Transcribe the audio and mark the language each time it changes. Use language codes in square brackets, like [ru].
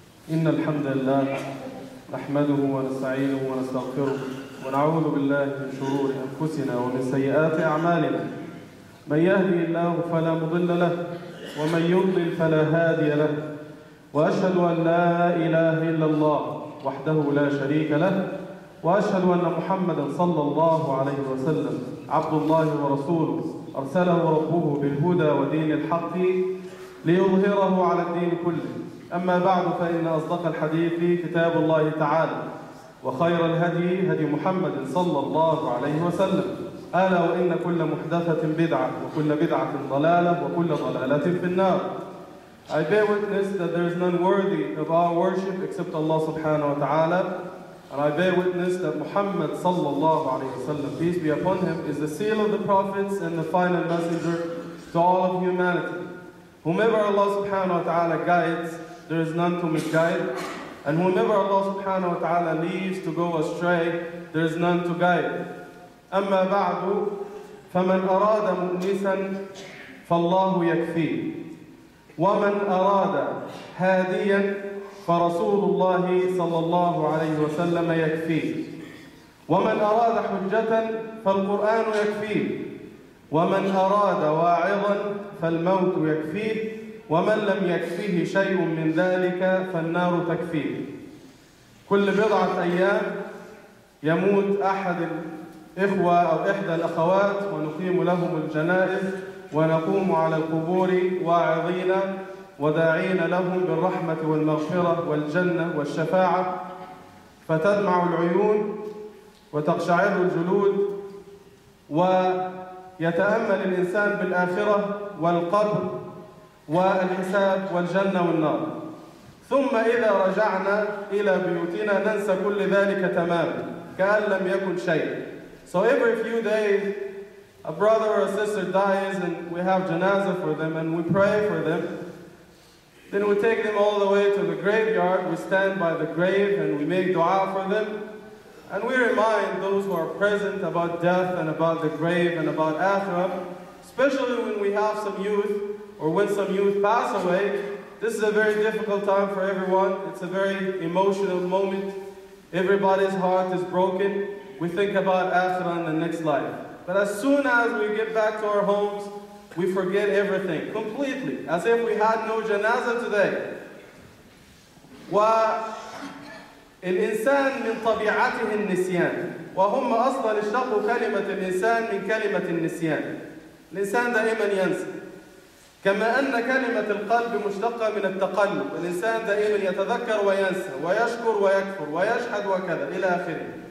[ar] إن الحمد لله نحمده ونستعينه ونستغفره ونعوذ بالله من شرور أنفسنا ومن سيئات أعمالنا، من يهدي الله فلا مضل له ومن يضلل فلا هادي له، وأشهد أن لا إله إلا الله وحده لا شريك له، وأشهد أن محمدا صلى الله عليه وسلم عبد الله ورسوله أرسله ربه بالهدى ودين الحق ليظهره على الدين كله. أما بعد، فإن أصدق الحديث كتاب الله تعالى، وخير الهدي هدي محمد صلى الله عليه وسلم، ألا وإن كل محدثة بدعة وكل بدعة ضلالة وكل ضلالة في النار. [en] I bear witness that there is none worthy of our worship except Allah subhanahu wa ta'ala. And I bear witness that Muhammad sallallahu alayhi wa sallam, peace be upon him, is the seal of the prophets and the final messenger to all of humanity. Whomever Allah subhanahu wa ta'ala guides, there is none to misguide. And whomever Allah subhanahu wa ta'ala leaves to go astray, there is none to guide. [ar] أما بعد فمن أراد مؤنسا فالله يكفي ومن أراد هاديا فرسول الله صلى الله عليه وسلم يكفي ومن أراد حجة فالقرآن يكفي ومن أراد واعظا فالموت يكفي ومن لم يكفيه شيء من ذلك فالنار تكفي. كل بضعة أيام يموت أحد إخوة أو إحدى الأخوات، ونقيم لهم الجنائز ونقوم على القبور واعظين وداعين لهم بالرحمة والمغفرة والجنة والشفاعة، فتدمع العيون وتقشعر الجلود ويتأمل الإنسان بالآخرة والقبر والحساب والجنة والنار. ثم إذا رجعنا إلى بيوتنا ننسى كل ذلك تماما كأن لم يكن شيء. [en] So every few days, a brother or a sister dies and we have janazah for them and we pray for them. Then we take them all the way to the graveyard, we stand by the grave and we make dua for them. And we remind those who are present about death and about the grave and about akhirah. Especially when we have some youth or when some youth pass away, this is a very difficult time for everyone. It's a very emotional moment. Everybody's heart is broken. We think about akhirah in the next life. But as soon as we get back to our homes, we forget everything completely, as if we had no janazah today. [ar] والإنسان من طبيعته النسيان. وهم أصلا اشتقوا كلمة الإنسان من كلمة النسيان. الإنسان دائما ينسى. كما أن كلمة القلب مشتقة من التقلب. الإنسان دائما يتذكر وينسى ويشكر ويكفر ويشهد وكذا إلى آخره.